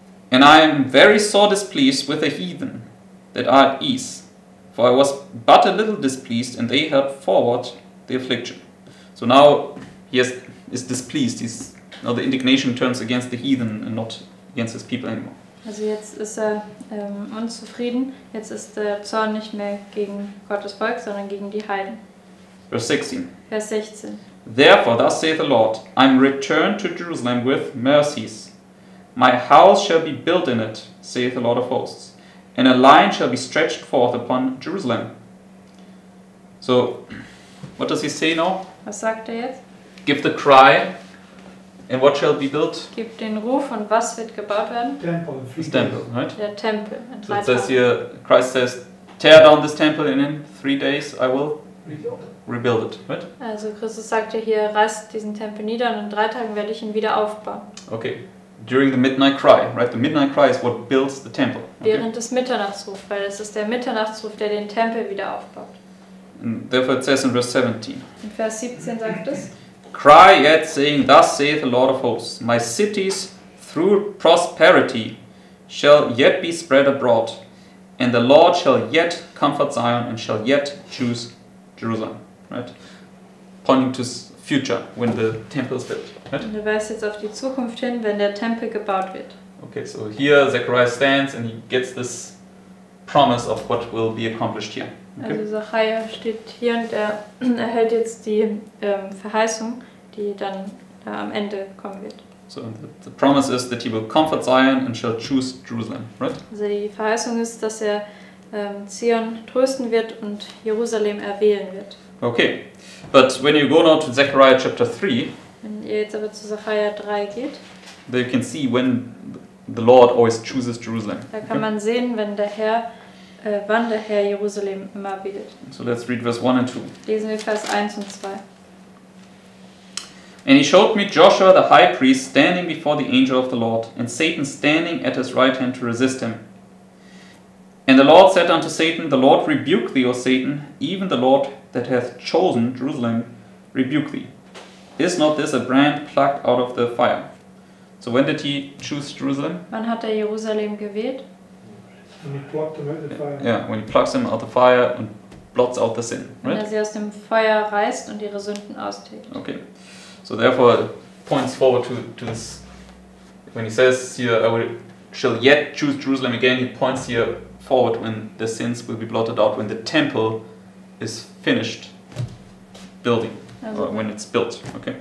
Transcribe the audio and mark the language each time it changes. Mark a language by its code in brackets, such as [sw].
[en] And I am very sore displeased with the heathen that are at ease. For I was but a little displeased, and they helped forward the affliction. So now he is displeased. He's, now the indignation turns against the heathen and not against his people anymore. [de] Also jetzt ist er unzufrieden. Jetzt ist der Zorn nicht mehr gegen Gottes Volk, sondern gegen die Heiden. [en] Verse 16. [de] Vers 16. [en] Therefore, thus saith the Lord, I am returned to Jerusalem with mercies. My house shall be built in it, saith the Lord of hosts, and a line shall be stretched forth upon Jerusalem. So, what does he say now? [de] Was sagt jetzt? [en] Give the cry, and what shall be built? [de] Gib den Ruf, und was wird gebaut werden? [en] Temple, right? [de] Der Tempel. [en] So it says here, Christ says, tear down this temple, and in 3 days I will rebuild it, right? [de] Also Christus sagt ja hier, reißt diesen Tempel nieder, und in 3 Tagen werde ich ihn wieder aufbauen. [en] Okay. During the midnight cry, right? The midnight cry is what builds the temple. Okay? [de] Während des Mitternachtsrufs, weil es ist der Mitternachtsruf, der den Tempel wieder aufbaut. [en] And therefore it says in verse 17. [de] In Vers 17 sagt es, [en] cry yet, saying, thus saith the Lord of hosts, my cities through prosperity shall yet be spread abroad, and the Lord shall yet comfort Zion, and shall yet choose Jerusalem. Right? Pointing to future, when the temple is built. Right? [de] Und er weist jetzt auf die Zukunft hin, wenn der Tempel gebaut wird. [en] Okay, so here Zechariah stands and he gets this promise of what will be accomplished here. Okay. [de] Also Zechariah steht hier und er erhält jetzt die Verheißung, die dann da am Ende kommen wird. [en] So the promise is that he will comfort Zion and shall choose Jerusalem, right? [de] Also die Verheißung ist, dass er Zion trösten wird und Jerusalem erwählen wird. [en] Okay, but when you go now to Zechariah chapter 3, [de] wenn ihr jetzt aber zu Zechariah 3 geht, [en] then you can see when the Lord always chooses Jerusalem. [de] Da kann man sehen, wenn der Herr, wann der Herr Jerusalem immer wählt. [en] So let's read verse 1 and 2. [de] Lesen wir Vers 1 und 2. [en] And he showed me Joshua the high priest standing before the angel of the Lord, and Satan standing at his right hand to resist him. And the Lord said unto Satan, the Lord rebuke thee, O Satan, even the Lord that hath chosen Jerusalem rebuke thee. Is not this a brand plucked out of the fire? So when did he choose Jerusalem? [de] Wann hat er Jerusalem gewählt? [en] When he plucked him out of the fire. Yeah, when he plucks him out of the fire and blots out the sin, right? [de] Wenn er sie aus dem Feuer reißt und ihre Sünden austilgt. [en] Okay. So therefore it points forward to this. When he says here, I shall yet choose Jerusalem again, he points here forward when the sins will be blotted out, when the temple is finished building, also, or when it's built, okay?